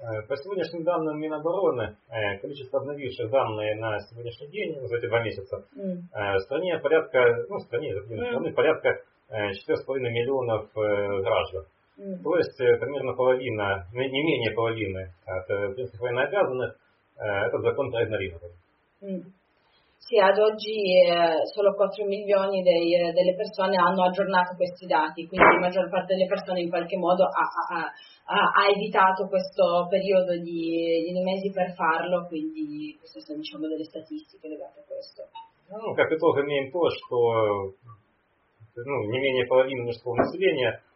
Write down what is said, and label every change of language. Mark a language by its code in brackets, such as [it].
[ru] Per сегодняшним данным Минобороны, количество обновивших данные на сегодняшний день, за эти два месяца, порядка 4,5 миллионов граждан. То есть примерно половина, не менее половины от принципов военнообязанных этот закон проигнорировали. [it] Sì, ad oggi solo 4 milioni delle persone hanno aggiornato questi dati, quindi la maggior parte delle persone in qualche modo ha evitato questo periodo di mesi per farlo, quindi queste sono, diciamo, delle statistiche legate a questo. [ru] Ну, как итог имеем то, что не менее половины мужского населения